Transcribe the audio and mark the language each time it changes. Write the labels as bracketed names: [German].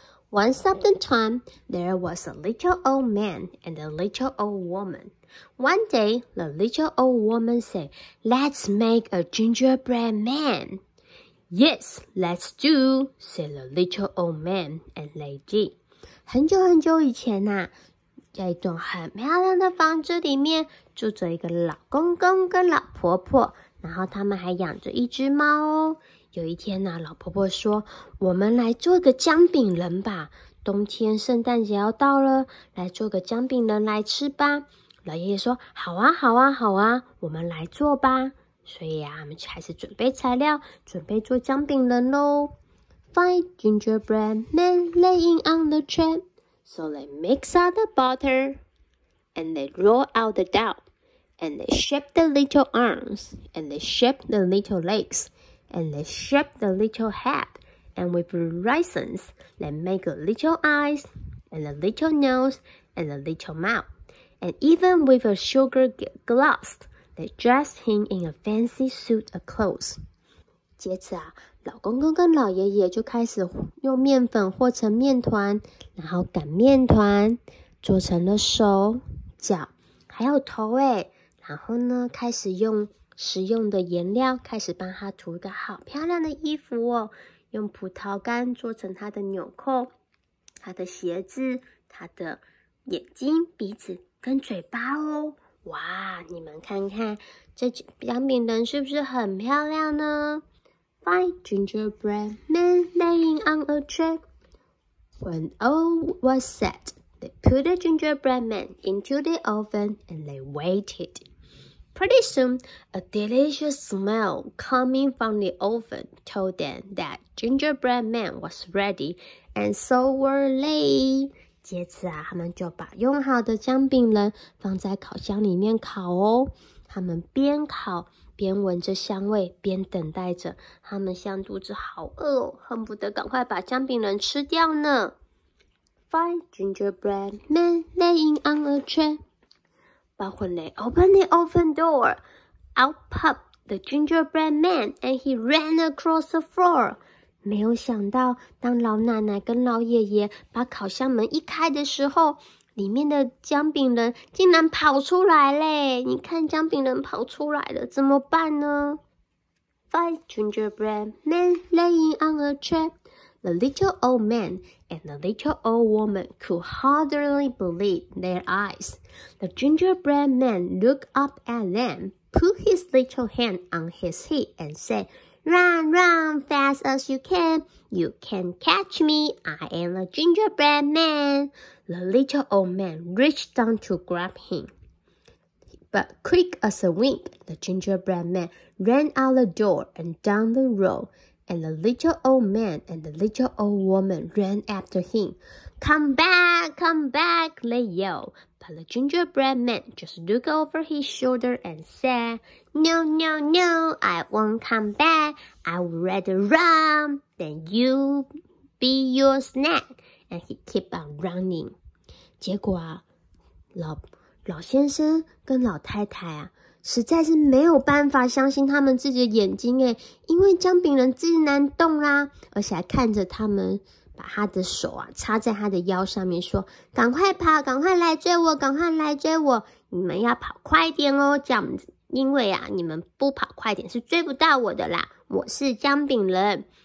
[English] Once upon a time, there was a little old man and a little old woman. One day, the little old woman said, Let's make a gingerbread man. Yes, let's do, said the little old man and lady. [Chinese] 很久很久以前啊，在一栋很漂亮的房子里面，住着一个老公公跟老婆婆，然后他们还养着一只猫哦。有一天啊，老婆婆说，我们来做个姜饼人吧，冬天圣诞节要到了，来做个姜饼人来吃吧。老爷爷说，好啊好啊好啊，我们来做吧。所以啊，我们开始准备材料，准备做姜饼人咯。 [English] Five gingerbread men laying on the tray. So they mix out the butter, and they roll out the dough, and they shape the little arms, and they shape the little legs, and they shape the little head, and with raisins, they make a little eyes, and a little nose, and a little mouth. And even with a sugar glass, they dress him in a fancy suit of clothes. [Chinese] 接着啊，老公公跟老爷爷就开始用面粉和成面团，然后擀面团，做成了手、脚，还有头诶。然后呢，开始用食用的颜料，开始帮他涂一个好漂亮的衣服哦。用葡萄干做成他的纽扣、他的鞋子、他的眼睛、鼻子跟嘴巴哦。哇，你们看看这姜饼人是不是很漂亮呢？ [English] Five gingerbread men laying on a tray. When all was set, they put the gingerbread man into the oven and they waited. Pretty soon, a delicious smell coming from the oven told them that gingerbread man was ready, and so were they. [Chinese] 接着啊，他们就把用好的姜饼人放在烤箱里面烤哦。他们边烤边闻着香味，边等待着。他们像肚子好饿哦，恨不得赶快把姜饼人吃掉呢。 Five gingerbread men laying on a tray. But when they opened the oven door, out popped the gingerbread man and he ran across the floor. 没有想到，当老奶奶跟老爷爷把烤箱门一开的时候，里面的姜饼人竟然跑出来嘞！你看姜饼人跑出来了，怎么办呢 [English] ？Five gingerbread men laying on a tray. The little old man and the little old woman could hardly believe their eyes. The gingerbread man looked up at them, put his little hand on his head and said, Run, run, fast as you can. You can catch me. I am the gingerbread man. The little old man reached down to grab him. But quick as a wink, the gingerbread man ran out the door and down the road. And the little old man and the little old woman ran after him. Come back, come back, they yelled. But the gingerbread man just looked over his shoulder and said, No, no, no, I won't come back. I would rather run than you be your snack. And he kept on running. [Chinese] 结果啊，老先生跟老太太啊，实在是没有办法相信他们自己的眼睛诶，因为姜饼人自然动啦，而且还看着他们把他的手啊插在他的腰上面说，赶快跑，赶快来追我，赶快来追我，你们要跑快点哦，这样子，因为啊，你们不跑快点是追不到我的啦，我是姜饼人。